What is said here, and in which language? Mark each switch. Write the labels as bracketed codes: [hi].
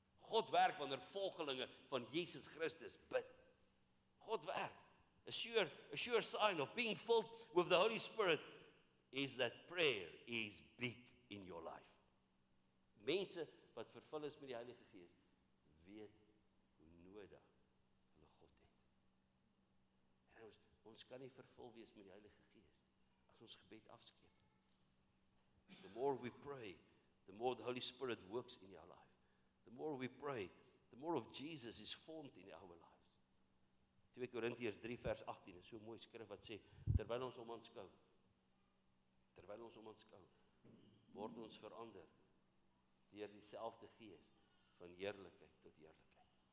[af] God werk wanneer volgelinge van Jesus Christus bid. God werk. [en] A sure sign of being filled with the Holy Spirit is that prayer is big in your life. [af] Mense wat vervul is met die Heilige Gees, weet hoe nodig hulle God het. En ons kan nie vervul wees met die Heilige Gees as ons gebed afskeep. [en] The more we pray, the more the Holy Spirit works in our life. The more we pray, the more of Jesus is formed in our lives. [af] 2 Korintiërs 3 vers 18 is so 'n mooi skrif wat sê, terwyl ons hom aanskou, word ons verander deur dieselfde gees van heerlikheid tot heerlikheid.